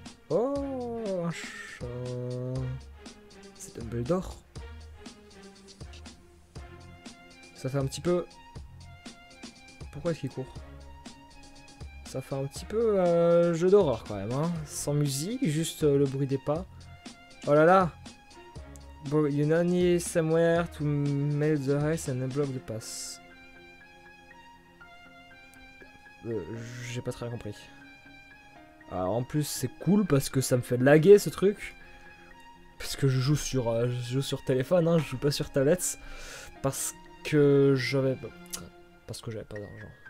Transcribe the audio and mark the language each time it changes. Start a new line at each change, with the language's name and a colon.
French: Oh, un chat. C'est Dumbledore. Ça fait un petit peu. Pourquoi est-ce qu'il court? Ça fait un petit peu jeu d'horreur quand même, hein. Sans musique, juste le bruit des pas. Oh là là! Bon,
English: you know, need somewhere to mail the rest and unblock the pass.
French: J'ai pas très bien compris. Alors, en plus, c'est cool parce que ça me fait laguer ce truc. Parce que je joue sur téléphone, hein, je joue pas sur tablette. Parce que j'avais pas d'argent.